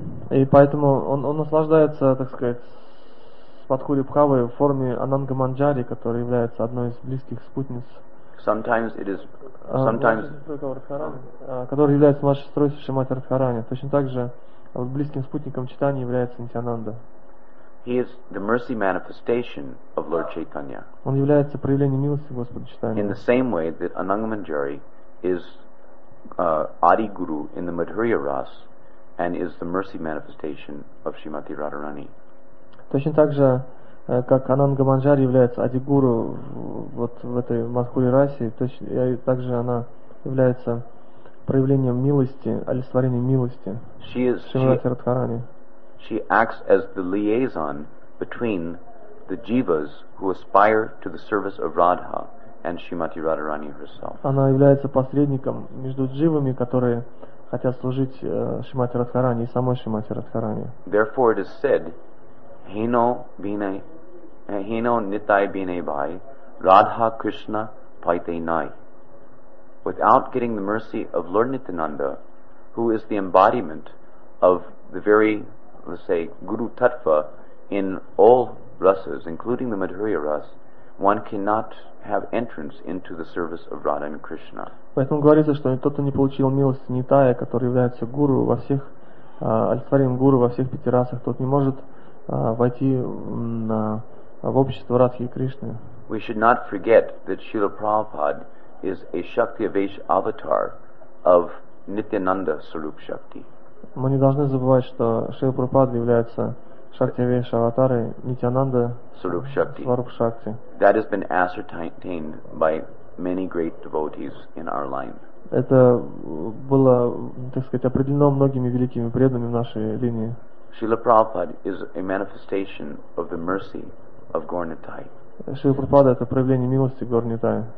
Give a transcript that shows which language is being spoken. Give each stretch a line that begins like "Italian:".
Russian: И поэтому он наслаждается, так сказать, Падхури Бхавой в форме Ананга Манджари, которая является одной из близких спутниц.
English: Sometimes it is sometimes
Russian: который является младшей сестрой Шримати Радхарани. Точно так же близким спутником Чайтаньи является Нитьянанда.
English: He is the mercy manifestation of Lord Chaitanya.
Russian: Он является проявлением милости Господа Чайтаньи.
English: In the same way that Ananga Manjari is Adi Guru in the Madhurya Ras and is the mercy manifestation of Srimati Radharani.
Russian: Точно так же, как Ананга Манджари является Ади Гуру вот в этой Мадхури Расе, также она является проявлением милости, олицетворением милости Шримати Радхарани.
English: She acts as the liaison between the jivas who aspire to the service of Radha and Srimati Radharani herself.
Russian: Она является посредником между дживами, которые хотят служить Шримати Радхарани и самой Шримати Радхарани.
English: Therefore it is said,
Bangla: Hino Bine, Hino Nitai Bine Bhai, Radha Krishna Paite Nai.
English: Without getting the mercy of Lord Nityananda, who is the embodiment of the very, let's say, Guru Tattva in all rasas, including the Madhurya Ras, one cannot have entrance into the service of Radha and Krishna.
Russian: Поэтому говорится, что тот, кто не получил милости Нитая, который является гуру во всех олицетворением гуру во всех пяти расах, тот не может войти в общество Радхи и Кришны.
English: We should not forget that Srila Prabhupada is a Shakti Avesh avatar of Nityananda Swarup Shakti.
Russian: Мы не должны забывать, что Шрила Прабхупада является Шакти Авеш аватарой Нитьянанда Swarup Shakti. Swarup Shakti.
English: That has been ascertained by many great devotees in our line.
Russian: Это было, так сказать, определено многими великими преданными в нашей линии.
English: Srila Prabhupada is a manifestation of the mercy of Gaur Nitai.
Russian: Шрила Прабхупада — это проявление милости Гаур Нитая.